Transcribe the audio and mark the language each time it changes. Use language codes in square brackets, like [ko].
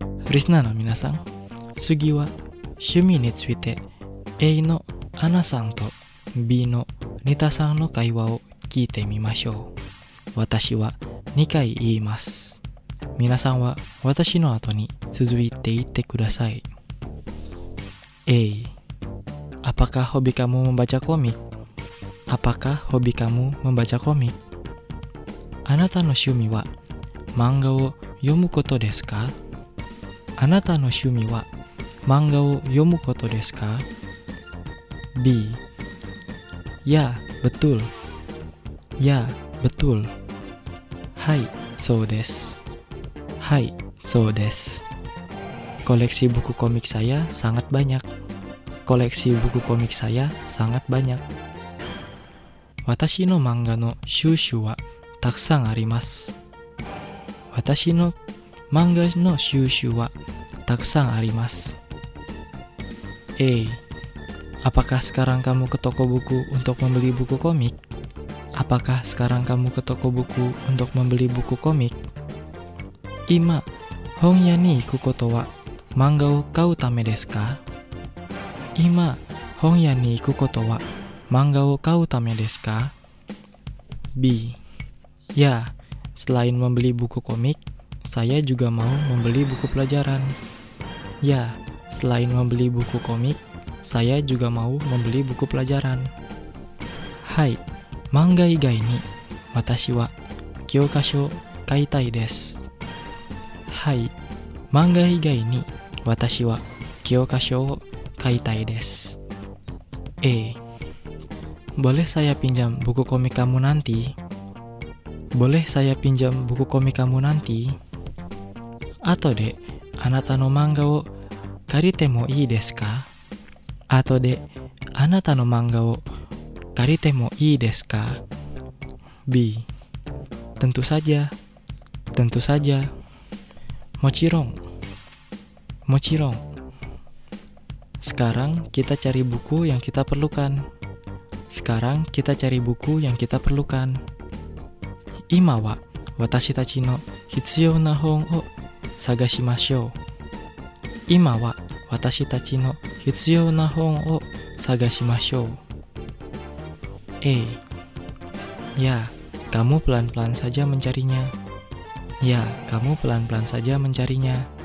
[ja] リスナーの皆さん、次は趣味について A のアナさんと B のネタさんの会話を聞いてみましょう。私は2回言います。皆さんは私の後に続いて言ってください。 [id] A、 Apakah hobi kamu membaca komik? Apakah hobi kamu membaca komik? [ja] あなたの趣味は漫画を読むことですか？あなたの趣味は漫画を読むことですか? [id] B. Ya, betul. Ya, betul. [ja] はい、そうです。はい、そうです。 [id] Koleksi buku komik saya sangat banyak. Koleksi buku komik saya sangat banyak. [ja] 私の漫画の収集はたくさんあります。私の漫画の収集はたくさんあります。 A. [id] Apakah sekarang kamu ke toko buku untuk membeli buku komik? Apakah sekarang kamu ke toko buku untuk membeli buku komik? [ja] 今、本屋に行くことは漫画を買うためですか? 今、本屋に行くことは漫画を買うためですか? [id] B. Ya, selain membeli buku komik, saya juga mau membeli buku pelajaran. Ya, selain membeli buku komik, saya juga mau membeli buku pelajaran. [ja] Hai, manga 以外に私は教科書買いたいです。 Hai, manga 以外に私は教科書買いたいです。 A. [id] Boleh saya pinjam buku komik kamu nanti? Boleh saya pinjam buku komik kamu nanti? Atau deh, [ja] あなたの漫画を借りてもいいですか? あとで、あなたの漫画を借りてもいいですか? [id] B. Tentu saja. Tentu saja. [ja] もちろん。もちろん。 [id] Sekarang kita cari buku yang kita perlukan. Sekarang kita cari buku yang kita perlukan. [ja] 今は、私たちの必要な本を探しましょう。今は、私たちの必要な本を探しましょう。 A. [id] Ya, kamu pelan-pelan saja mencarinya. Ya, kamu pelan-pelan saja mencarinya.